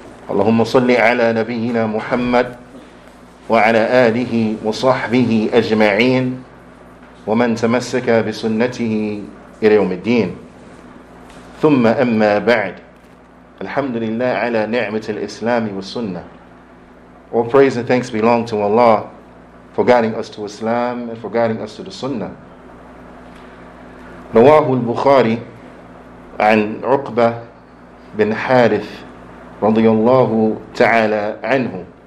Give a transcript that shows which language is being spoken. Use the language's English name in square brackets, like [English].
[Arabic] اللهم صل على نبينا محمد وعلى آله وصحبه أجمعين ومن تمسك بسنته إلى يوم الدين. ثم أما بعد, الحمد لله على نعمة الإسلام والسنة. [English] All praise and thanks belong to Allah for guiding us to Islam and for guiding us to the Sunnah. [Arabic] رواه البخاري عن عقبة بن حارث رضي الله تعالى عنه.